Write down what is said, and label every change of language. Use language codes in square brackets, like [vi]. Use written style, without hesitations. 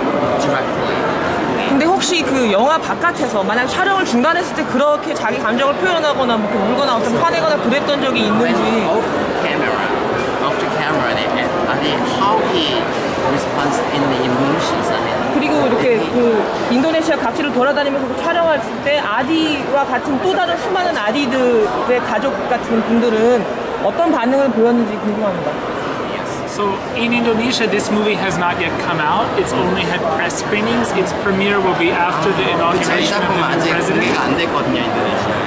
[en] was angry or upset, off the camera, how he responds in the emotions. [ko] 그리고 이렇게 그 인도네시아 각지를 돌아다니면서 촬영할 때 아디와 같은 또 다른 수많은 아디들의 가족 같은 분들은 어떤 반응을 보였는지 궁금합니다. [en] So in Indonesia, this movie has not yet come out. It's only had press screenings. Its premiere will be after the inauguration of the new president.